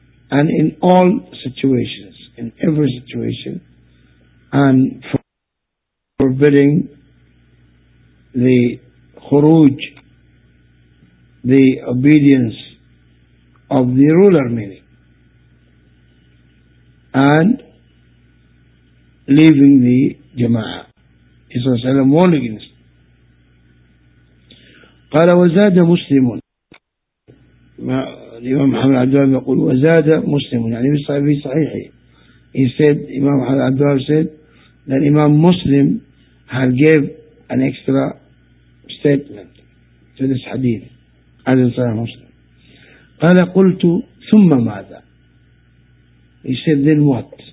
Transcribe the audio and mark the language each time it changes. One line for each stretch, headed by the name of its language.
English: and in all situations, in every situation, and forbidding the khuruj, the obedience of the ruler, meaning, and leaving the jama'ah. He says, I'm warning you.
Arabic: قال وزاد مسلم، الإمام محمد عبد الله يقول وزاد مسلم يعني في صحيحه
English: he said, Imam Al-Adwar said, that Imam Muslim had gave an extra statement to this hadith. As in Sahih Muslim.
Arabic: قَالَ قُلْتُ ثُمَّ مَاذَا.
English: He said, then what?